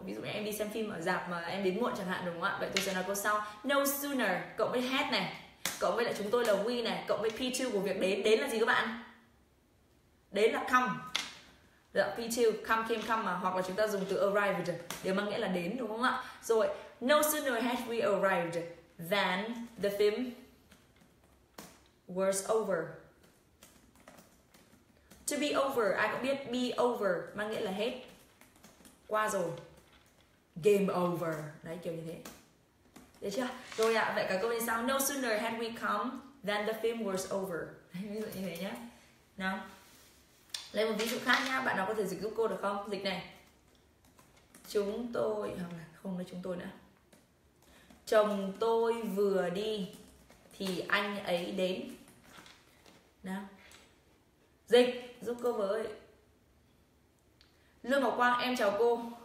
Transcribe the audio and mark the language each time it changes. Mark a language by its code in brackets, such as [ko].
[vi] Ví dụ như em đi xem phim ở rạp mà em đến muộn chẳng hạn đúng không ạ? Vậy tôi sẽ nói câu sau. [en] No sooner, [vi] cộng với had này, cộng với lại chúng tôi là we này, cộng với P2 của việc đến. Đến là gì các bạn? Đến là come. Dạ, P2, come, came, come mà. Hoặc là chúng ta dùng từ arrived, điều mang nghĩa là đến đúng không ạ? [en] Rồi, no sooner had we arrived than the film was over. To be over, [vi] ai cũng biết be over mang nghĩa là hết, qua rồi. [en] Game over, [vi] đấy kiểu như thế. Được chưa? Rồi ạ, à, vậy cả câu như sau. [en] No sooner had we come than the film was over. [vi] Ví dụ như thế nhé. Nào, lấy một ví dụ khác nha, bạn nào có thể dịch giúp cô được không? Dịch này. Chúng tôi, không nói chúng tôi nữa. Chồng tôi vừa đi thì anh ấy đến. Nào, dịch giúp cô với. Lương Ngọc Quang, em chào cô.